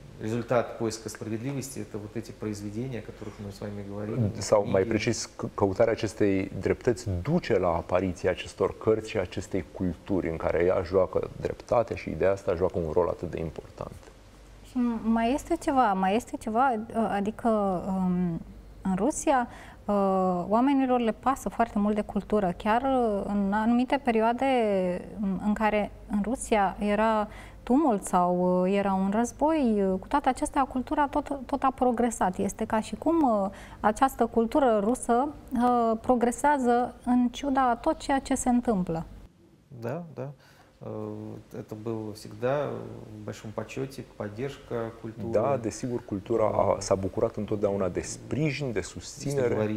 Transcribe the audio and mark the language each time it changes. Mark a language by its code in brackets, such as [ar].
[ru] результат поиска справедливости – это вот эти произведения, о которых мы с вами говорили. [ro] Sau, mai precis, căutarea acestei dreptăți duce la apariția acestor cărți și acestei culturi în care ea joacă dreptatea și ideea asta joacă un rol atât de important. Și mai este ceva, adică în Rusia oamenilor le pasă foarte mult de cultură. Chiar în anumite perioade în care în Rusia era tumult sau era un război, cu toate acestea, cultura tot a progresat. Este ca și cum această cultură rusă progresează în ciuda tot ceea ce se întâmplă. Da, da. [ru] Это было всегда в большом почете, поддержка культуры. [ro] Да, desigur, cultura s-a bucurat întotdeauna de sprijin, de susținere.